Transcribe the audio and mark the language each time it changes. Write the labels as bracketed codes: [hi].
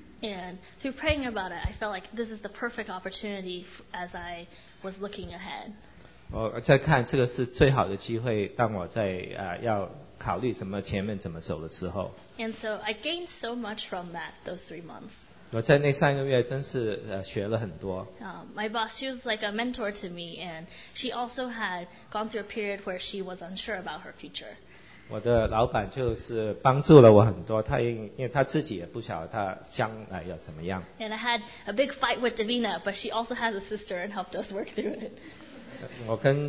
[en] And through praying about it, I felt like this is the perfect opportunity as I was looking ahead. [zh] 我在看这个是最好的机会，当我在要考虑怎么前面怎么走的时候。 [en] And so I gained so much from that those 3 months. [zh] 我在那三个月真是学了很多。 [en] My boss, she was like a mentor to me, and she also had gone through a period where she was unsure about her future. [zh] 我的老板就是帮助了我很多，因为他自己也不晓得他将来要怎么样。 [en] And I had a big fight with Davina, but she also has a sister and helped us work through it.